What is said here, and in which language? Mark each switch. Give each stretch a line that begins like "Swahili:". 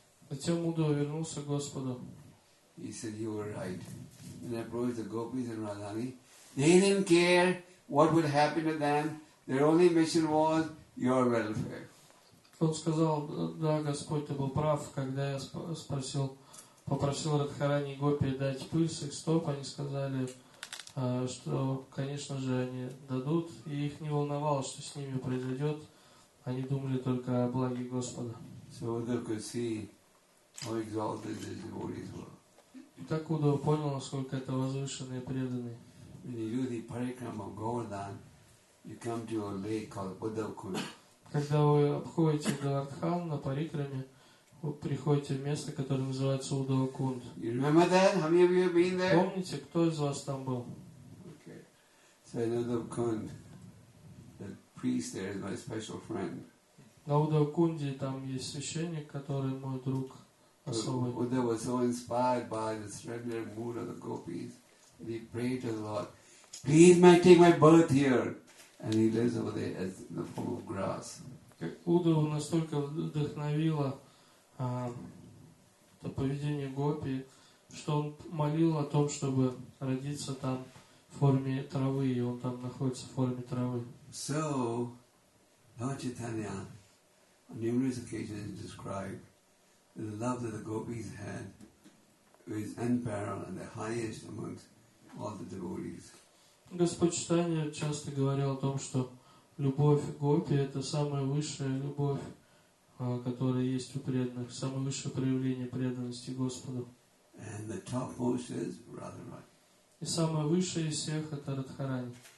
Russian: Затем Удова вернулся к Господу.
English: He said, you were right. And I approached the Gopis and Radhani. They didn't care what would happen to them. Their only mission was your welfare.
Russian: Он сказал, да, Господь, ты был прав, когда я попросил Радхарани и Гопи дать пыль с их стоп, они сказали, что, конечно же, они дадут, и их не волновало, что с ними произойдет. Они думали только о благе Господа.
English: So Udhava could see how exalted his devotees were.
Russian: И так Удова понял, насколько это возвышенные преданные.
English: When you do the parikrama of Govardhan, you come to a lake called Udhavakul.
Russian: Когда вы обходите Говардхан на парикраме, вы приходите в место, которое называется Удхавакунд.
English: You remember that? How many of you have been there?
Russian: Помните, кто из вас там был?
English: Okay. So Удхавакунд, the priest there is my special friend.
Russian: На Удхавакунде там есть священник, который мой друг особый.
English: Удхава was so inspired by the surrender mood of the gopis, and he prayed to the Lord, "Please, may I take my birth here." And he lives over there as in the form of grass.
Russian: Удхава настолько вдохновила то поведение гопи, что он молил о том, чтобы родиться там в форме травы, и он там находится в форме травы.
English: So, Lord Chaitanya, on numerous occasions described the love that the gopis had was unparalleled and the highest amongst all the devotees.
Russian: Господь Читания часто говорил о том, что любовь гопи – это самая высшая любовь, которая есть у преданных, самое высшее проявление преданности Господу.
English: And the topmost is Radharani.
Russian: И самое высшее из всех – это Радхарани.